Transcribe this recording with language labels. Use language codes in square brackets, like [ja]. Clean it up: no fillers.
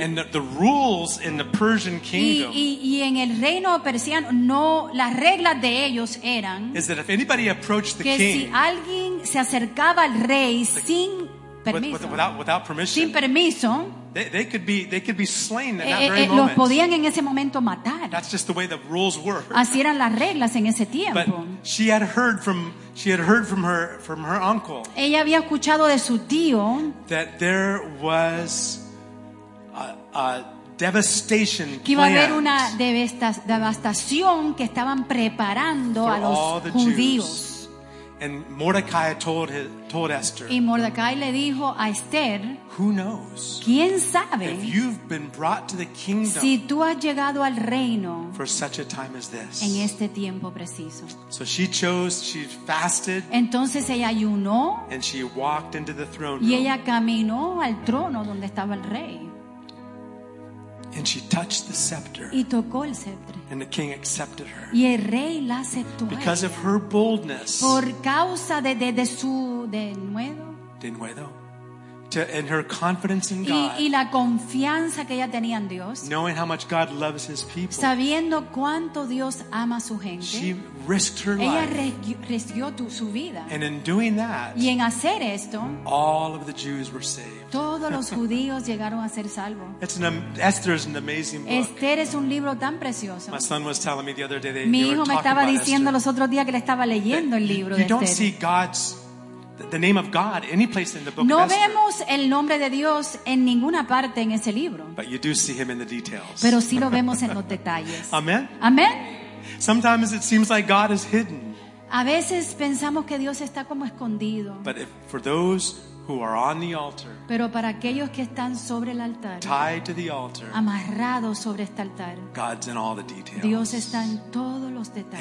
[en] And the rules in the Persian kingdom. [es] Y en el reino persiano no las reglas de ellos eran. [en] Is that if anybody approached the [es] que [en] king? [es] Que si alguien se acercaba al rey sin permiso. [en] Without permission. [es] Sin permiso. [en] They could be slain in that very moment. [es] Los podían en ese momento matar. [en] That's just the way the rules were. [es] Así eran las reglas en ese tiempo. [en] But she had heard from her uncle. [es] Ella había escuchado de su tío. [en] That there was a devastation planned. [es] Que iba a haber una devastación que estaban preparando a los judíos. [en] And Mordecai told Esther. [es] Y Mordecai le dijo a Esther. [en] Who knows? [es] ¿Quién sabe? [en] If you've been brought to the kingdom. [es] Si tú has llegado al reino. [en] For such a time as this. [es] En este tiempo preciso. [en] So she chose. She fasted. [es] Entonces ella ayunó. [en] And she walked into the throne [es] y [en] room. [es] Y ella caminó al trono donde estaba el rey. [en] And she touched the scepter. [es] Y tocó el cetro. [en] And the king accepted her. [es] Y el rey la aceptó. [en] Because of her boldness. [es] Por causa de su denuedo. Denuedo. [en] And her confidence in God. [es] Y la confianza que ella tenía en Dios. [en] Knowing how much God loves his people. [es] Sabiendo cuánto Dios ama a su gente. [en] She risked her life. [es] Ella arriesgó su vida. [en] And in doing that. [es] Y en hacer esto. [en] All of the Jews were saved. [es] Todos los judíos llegaron a ser salvos. [en] Esther is an amazing book. [es] Esther es un libro tan precioso. [en] My son was telling me the other day that [es] mi hijo me estaba diciendo [en] Esther. [es] Los otros días que le estaba leyendo [en] that [es] el libro [en] you [es] de Esther. [en] You don't see God's the name of God any place in the book [es] no [en] of Esther. [es] No vemos el nombre de Dios en ninguna parte en ese libro. [en] But you do see him in the details. [es] Pero sí lo vemos en los detalles. [en] Amen. [es] Amen. [en] Sometimes it seems like God is hidden. [es] A veces pensamos que Dios está como escondido. [en] But if, for those who are on the altar, [es] pero para aquellos que están sobre el altar, [en] tied to the altar, [es] amarrados sobre este altar, [en] God's in all the details. [es] Dios está en todos los detalles.